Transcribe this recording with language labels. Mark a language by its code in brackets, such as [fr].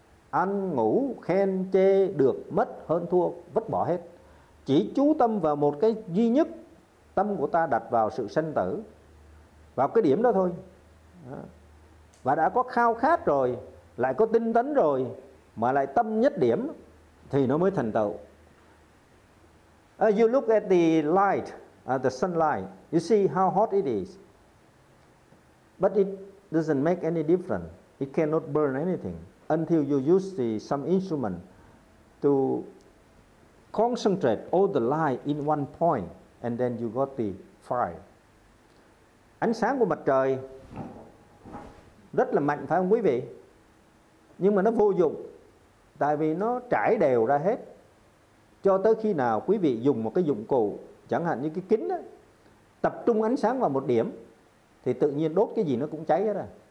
[vi] Ăn, ngủ, khen, chê, được, mất, hơn, thua, vứt bỏ hết. Chỉ chú tâm vào một cái duy nhất, tâm của ta đặt vào sự sanh tử, vào cái điểm đó thôi. Và đã có khao khát rồi, lại có tinh tấn rồi, mà lại tâm nhất điểm thì nó mới thành tựu. [en] You look at the light, the sunlight, you see how hot it is, but it doesn't make any difference. It cannot burn anything until you use the, some instrument to concentrate all the light in one point, and then you got the fire. [vi] Ánh sáng của mặt trời rất là mạnh phải không quý vị? Nhưng mà nó vô dụng, tại vì nó trải đều ra hết. Cho tới khi nào quý vị dùng một cái dụng cụ, chẳng hạn như cái kính đó, tập trung ánh sáng vào một điểm thì tự nhiên đốt cái gì nó cũng cháy hết à.